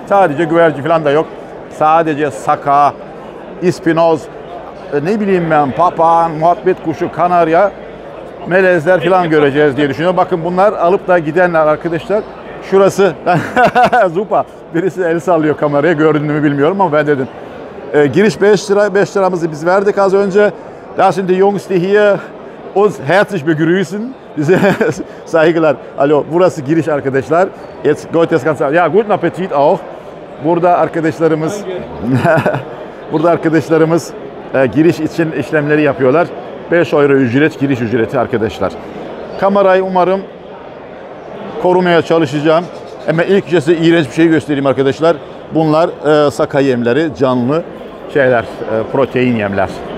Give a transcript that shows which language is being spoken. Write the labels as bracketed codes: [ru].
[tr] Sadece güvercin filan da yok. Sadece saka, ispinoz, ne bileyim ben, papağan, muhabbet kuşu, kanarya, melezler filan göreceğiz diye düşünüyorum. Bakın bunlar alıp da gidenler arkadaşlar. Şurası, Zupa, birisi el sallıyor kameraya, gördüğünü mü bilmiyorum ama ben dedim. Giriş 5 lira, 5 liramızı biz verdik az önce. Daha şimdi [de] Jungs die hier, uns herzlich begrüßen. [tr] Bize saygılar. Alo, burası giriş arkadaşlar. [de] Jetzt geht es ganz ab. Ja, guten Appetit auch. [tr] Burada arkadaşlarımız, burada arkadaşlarımız giriş için işlemleri yapıyorlar. 5 euro ücret, giriş ücreti arkadaşlar. Kamerayı umarım korumaya çalışacağım. Ama ilk önce size iğrenç bir şey göstereyim arkadaşlar. Bunlar saka yemleri, canlı şeyler, protein yemler.